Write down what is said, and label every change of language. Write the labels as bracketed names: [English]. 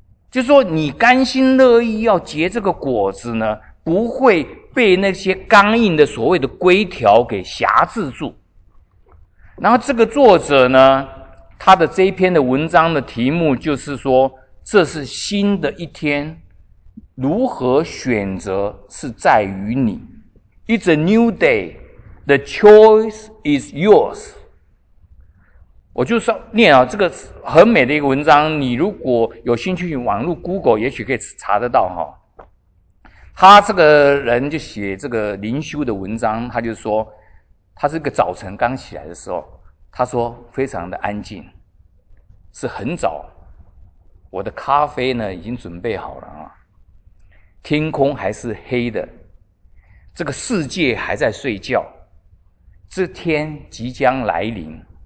[Chinese] 就是说你甘心乐意要结这个果子呢，不会被那些刚硬的所谓的规条给辖制住。然后这个作者呢，他的这一篇的文章的题目就是说，这是新的一天，如何选择是在于你。 [English] It's a new day, the choice is yours. [Chinese] 我就说念啊，这个很美的一个文章，你如果有兴趣网络 Google 也许可以查得到哈。他这个人就写这个灵修的文章，他就说他是一个早晨刚起来的时候，他说非常的安静，是很早，我的咖啡呢已经准备好了啊，天空还是黑的，这个世界还在睡觉，这天即将来临。